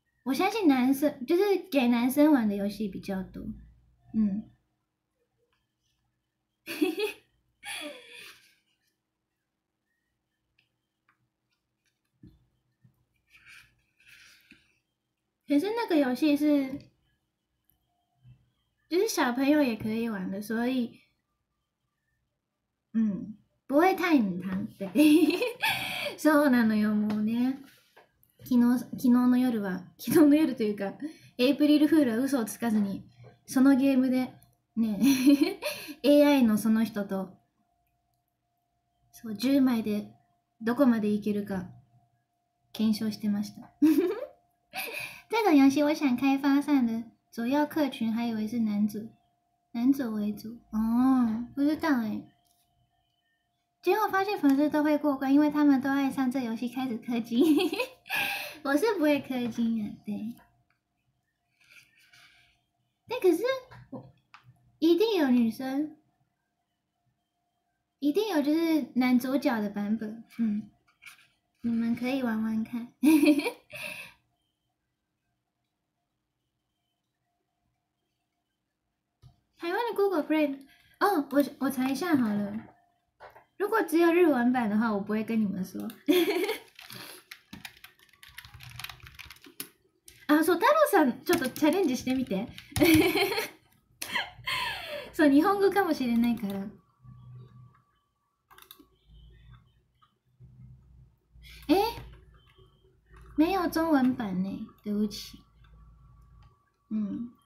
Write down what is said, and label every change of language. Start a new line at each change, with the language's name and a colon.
Chinese: 我相信男生就是给男生玩的游戏比较多，嗯，可是那个游戏是，就是小朋友也可以玩的，所以，嗯，不会太母汤，对，
Japanese: そうなのよもうね。昨日の夜は、昨日の夜というか、エイプリルフールは嘘をつかずに、そのゲームで、ね、AI のその人と、そう、10枚でどこまでいけるか、検証してました。
Chinese: 这种游戏我想开发上的主要客群还以为是男主为主。哦，不知道欸。结果发现粉丝都会过关，因为他们都爱上这游戏开始氪金。我是不会氪金的，对。但可是我一定有女生，一定有就是男主角的版本，嗯，你们可以玩玩看。台湾的 Google Play， 哦，我查一下好了。如果只有日文版的话，我不会跟你们说。
Japanese: あ、そう、太郎さん、ちょっとチャレンジしてみて。そう、日本語かもしれないから。
Chinese: え？没有中文版ね。对不起。うん。